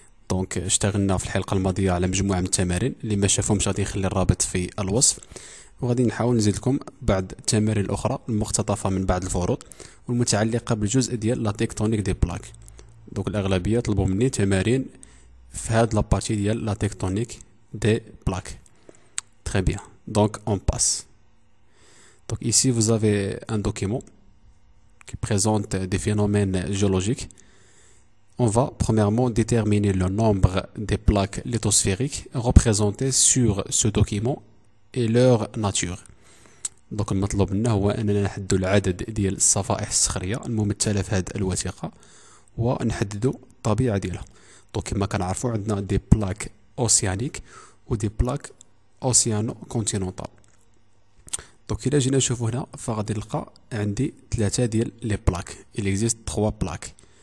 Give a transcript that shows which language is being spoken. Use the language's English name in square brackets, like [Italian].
[Arabic] دونك اشتغلنا في الحلقة الماضية على مجموعة من التمارين، اللي ما شافهمش غادي نخلي الرابط في الوصف، وغادي نحاول نزيد لكم بعض التمارين الاخرى المقتطفه من بعض الفروض والمتعلقه بالجزء ديال لا تيكتونيك دي بلاك. دونك الاغلبيه طلبوا مني تمارين في هاد لابارتي ديال لا تيكتونيك دي بلاك. تري بيان، دونك اون باس. [French] دونك ici vous avez un document qui présente des phénomènes géologiques. On va premièrement déterminer le nombre des plaques lithosphériques représentées sur ce document et leur nature. [Arabic] دونك المطلوب منا هو اننا نحددوا العدد ديال الصفائح الصخريه الممثله في هذه الوثيقه ونحددوا الطبيعه ديالها. دونك كما كنعرفوا عندنا دي بلاك اوسيانيك ودي بلاك اوسيانو كونتيننتال. دونك الى جينا نشوفوا هنا فغادي نلقى عندي ثلاثه ديال لي بلاك، اكزيست 3 بلاك.